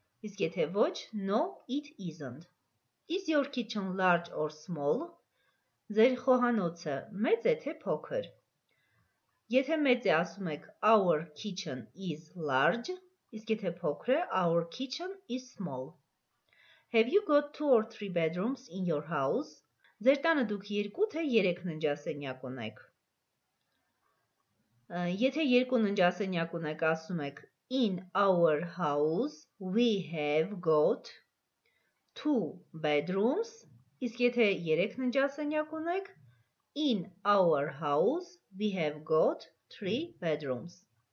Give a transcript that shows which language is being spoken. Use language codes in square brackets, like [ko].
[hy] Իսկ եթե ոչ, [en] no, it isn't. Is your kitchen large or small? [hy] Ձեր խոհանոցը մեծ է, թե փոքր։ Եթե մեծ է, ասում եք, [en] our kitchen is large, [hy] իսկ եթե փոքր է, [en] our kitchen is small. Have you got 2 or 3 bedrooms in your house? [hy] Ձեր տանը դուք 2 թե 3 ննջասենյակ ունեք։ Եթե 2 ննջասենյակ ունեք, ասում եք, [en] in our house we have got 2 bedrooms. [hy] Իսկ եթե 3 ննջասենյակ ունեք, [en] in our house we have got 3 bedrooms.